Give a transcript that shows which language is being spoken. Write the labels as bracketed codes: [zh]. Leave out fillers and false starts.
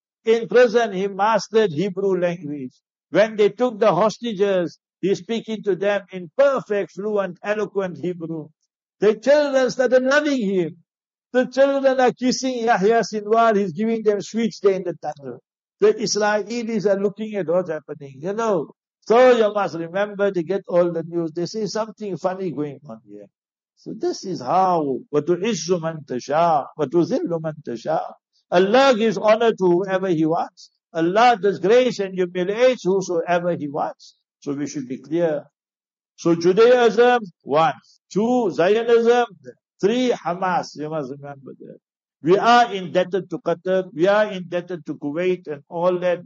[en] In prison he mastered Hebrew language. When they took the hostages, he's speaking to them in perfect, fluent, eloquent Hebrew. The children started loving him. The children are kissing Yahya Sinwar. He's giving them sweets there in the tunnel. The Israelis are looking at what's happening, you know. So you must remember, they get all the news. They see something funny going on here. So this is how, [ar] وَتُ إِسُّ مَنْ تَشَاءُ وَتُ ذِلُّ مَنْ تَشَاءُ. [en] Allah gives honor to whoever he wants. Allah does grace and humiliates whosoever he wants. So we should be clear. So Judaism, one. Two, Zionism. Three, Hamas. You must remember that. We are indebted to Qatar. We are indebted to Kuwait and all that.